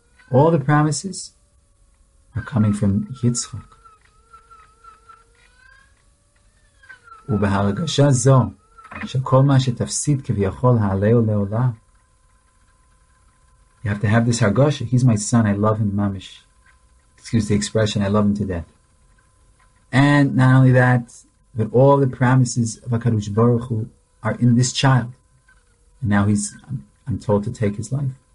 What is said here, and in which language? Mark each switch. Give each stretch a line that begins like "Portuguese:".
English: All the promises are coming from Yitzchak.
Hebrew: ובהרגשה זו, שכל מה שתפסיד כביכול העלהו לעולה.
English: You have to have this הרגשה. He's my son, I love him mamish. Excuse the expression, I love him to death. And not only that, but all the promises of HaKadosh Baruch Hu are in this child. And now I'm told to take his life.